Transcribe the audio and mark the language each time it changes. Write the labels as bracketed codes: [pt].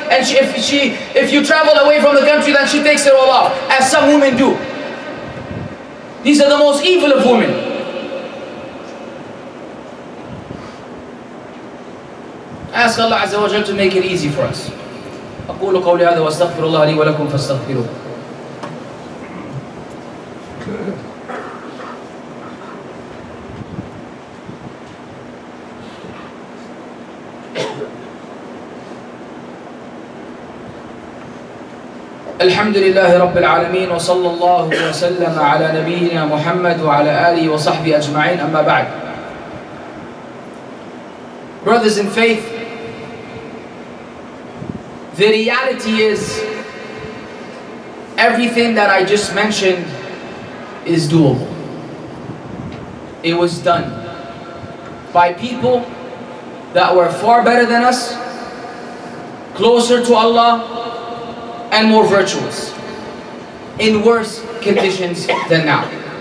[en] And if you travel away from the country, then she takes it all off. As some women do. These are the most evil of women. Ask Allah Azza wa Jalla to make it easy for us. [ar] أقول قولي هذا واستغفر الله لي ولكم فاستغفروه. الحمد لله رب العالمين وصلى الله وسلم على نبينا محمد وعلى آله وصحبه أجمعين أما بعد. [en] Brothers in faith, the reality is everything that I just mentioned is doable. It was done by people that were far better than us, closer to Allah, and more virtuous, in worse conditions than now.